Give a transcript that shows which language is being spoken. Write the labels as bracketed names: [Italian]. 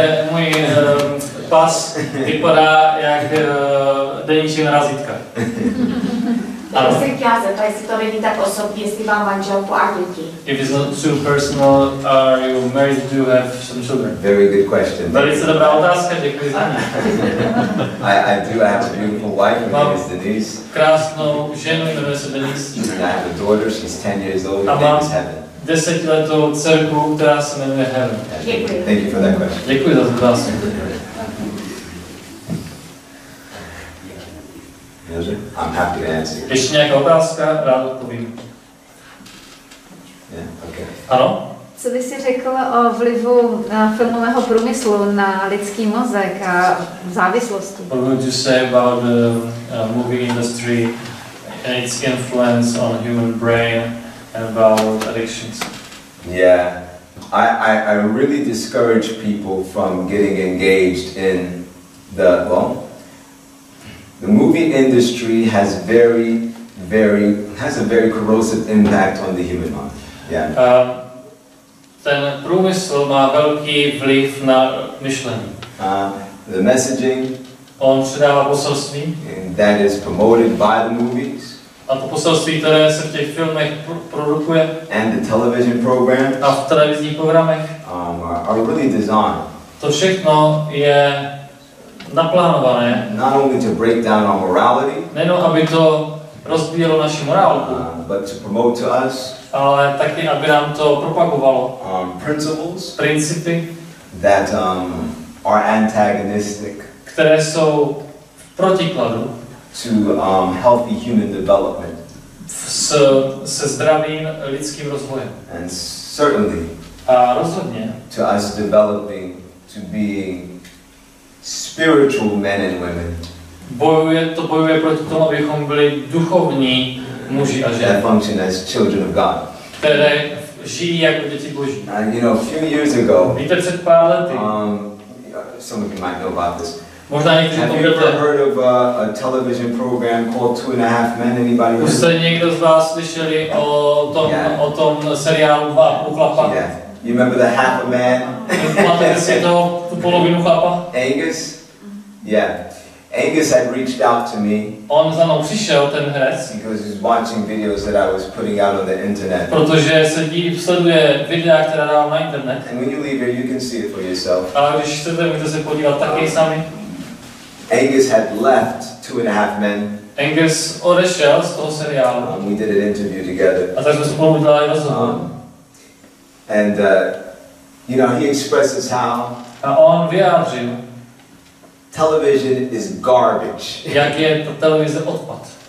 [Czech] Můj pas vypadá jak denní razítka. Já se chtěla zeptat, jestli to není tak osobní, jestli mám manželku a děti. [English] If it's not too personal, are you married? Do you have some children? Very good question. [Czech] Velice dobrá otázka, děkuji za ní. [English] I do have a beautiful wife, her name is Denise. [Czech] Krásnou ženu, jmenuje se Denise. [English] I have a daughter, she's 10 years old, her name is Heaven. [Czech] 10letou dcerku, která se jmenuje Helen. [English] Thank you for that question. [Czech] Děkuji za otázku. [English] I'm happy to answer. [Czech] Ještě nějaká otázka, rád odpovím. [English] Yeah, okay. [Czech] Ano? Co bys řekl o vlivu filmového průmyslu na lidský mozek a závislosti? [English] What would you say about the movie industry and its influence on human brain? About addictions. Yeah, I really discourage people from getting engaged in the, well, the movie industry has very, very, has a very corrosive impact on the human mind. Yeah. [Czech] Ten průmysl má velký vliv na myšlení. [English] The messaging. [Czech] On předává poselství. [English] And that is promoted by the movies. [Czech] A to poselství, které se v těch filmech produkuje. [English] And the television program. [Czech] A v televizních programech. [English] Are really designed. [Czech] To všechno je naplánované. [English] Not only to break down our morality. [Czech] Nejenom aby to rozbíjelo naši morálku. [English] But to promote to us. [Czech] Ale taky aby nám to propagovalo. [English] Principles. [Czech] Principy. [English] That are antagonistic. [Czech] Které jsou v protikladu. [English] To healthy human development. [Czech] Se zdravým lidským rozvojem. [English] And certainly. [Czech] A rozhodně. [English] To us developing to being spiritual men and women. [Czech] Bojuje proti tomu, abychom byli duchovní muži a ženy. [English] That function as children of God. [Czech] Které žijí jako děti Boží. [English] And you know, a few years ago. [Czech] Víte, před pár lety. [English] Some of you might know about this. [Czech] Možná někdy [English] have [Czech] pomíjete. [English] You ever heard of a television program called Two and a Half Men? Anybody? [Czech] Už jste někdo z vás slyšeli o tom, yeah. O tom seriálu Dva půl chlapa? [English] Yeah. You remember the half a man? [Czech] Máte si toho tu polovinu chlapa? [English] Angus? Yeah. Angus had reached out to me. [Czech] On za mnou přišel, ten herec. [English] Because he's watching videos that I was putting out on the internet. [Czech] Protože sleduje videa, která dávám na internet. [English] And when you leave here, you can see it for yourself. [Czech] A když chcete, můžete se podívat taky sami. [English] Angus had left Two and a Half Men. [Czech] Angus odešel z toho seriálu. [English] We did an interview together. [Czech] A tak jsme spolu udělali rozhovor. [English] You know, he expresses how. [Czech] A on vyjádřil. [English] Television is garbage. [Czech] Jak je ta televize odpad.